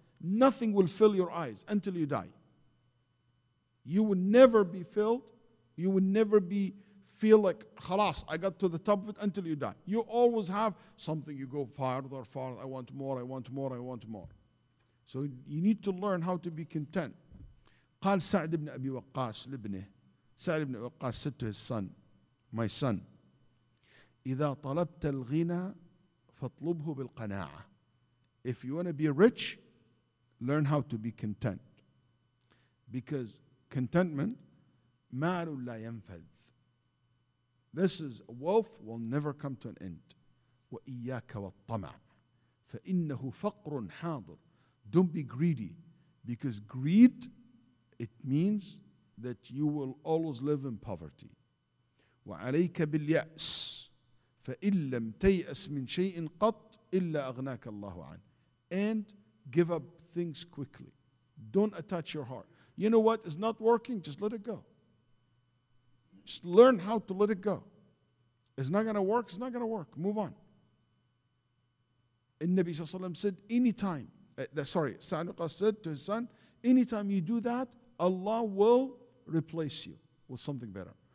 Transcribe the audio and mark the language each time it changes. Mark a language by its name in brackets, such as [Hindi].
[English] Nothing will fill your eyes until you die. You will never be filled. You will never be feel like, خلاص, I got to the top of it, until you die. You always have something. You go farther, farther. I want more, I want more, I want more. So you need to learn how to be content. [Arabic] قال سعد بن أبي وقاص لابنه. سعد بن وقاص [English] said to his son, my son, [Arabic] إذا طلبت الغنى فاطلبه بالقناعة. [English] If you want to be rich, learn how to be content. Because contentment, [Arabic] مال لا ينفذ. [English] This is wealth will never come to an end. [Arabic] وإياك والطمع. فإنه فقر حاضر. [English] Don't be greedy. Because greed, it means that you will always live in poverty. [Arabic] وعليك باليأس. فإن لم تيأس من شيء قط إلا أغناك الله عنه. [English] And give up things quickly. Don't attach your heart. You know what is not working? Just let it go. Just learn how to let it go. It's not going to work. It's not going to work. Move on. And Nabi Sallallahu Alaihi Wasallam said, Sa'nuqa said to his son, anytime you do that, Allah will replace you with something better.